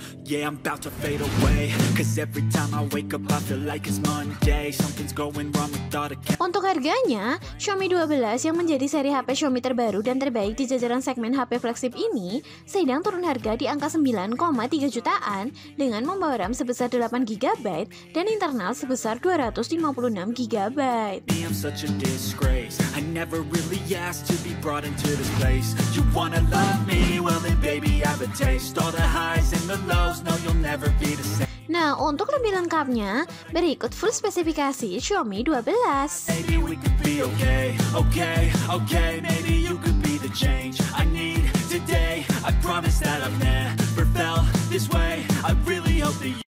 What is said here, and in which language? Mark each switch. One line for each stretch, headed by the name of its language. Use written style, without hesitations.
English: Yeah, I'm about to fade away. 'Cause every time I wake up, I feel like it's Monday. Something's going wrong with all the cameras.
Indonesian: Untuk harganya, Xiaomi 12 yang menjadi seri HP Xiaomi terbaru dan terbaik di jajaran segmen HP flagship ini sedang turun harga di angka 9,3 jutaan dengan membawa RAM sebesar 8GB dan internal sebesar 256GB.
English: I'm such a disgrace. I never really asked to be brought into this place. You wanna love me? Well then baby, I have a taste. All the highs and the lows.
Indonesian: Nah, untuk lebih lengkapnya, berikut full spesifikasi Xiaomi 12.
English: Maybe we could be okay, okay, okay. Maybe you could be the change I need today. I promise that I've never felt this way. I really hope.